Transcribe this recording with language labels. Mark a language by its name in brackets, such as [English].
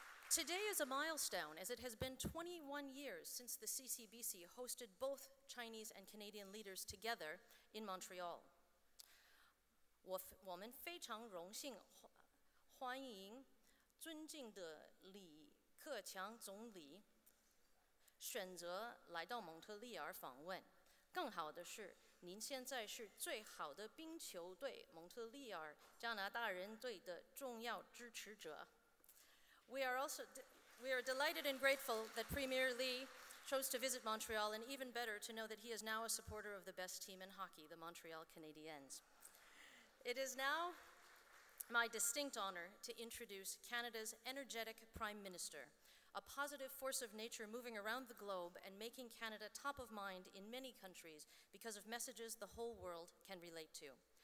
[English] Today is a milestone, as it has been 21 years since the CCBC hosted both Chinese and Canadian leaders together in Montreal. [Chinese] 我们非常荣幸欢迎尊敬的李克强总理选择来到蒙特利尔访问。更好的是，您现在是最好的冰球队蒙特利尔加拿大人队的重要支持者。 [English] We are delighted and grateful that Premier Li chose to visit Montreal, and even better to know that he is now a supporter of the best team in hockey, the Montreal Canadiens. It is now my distinct honor to introduce Canada's energetic Prime Minister, a positive force of nature moving around the globe and making Canada top of mind in many countries because of messages the whole world can relate to.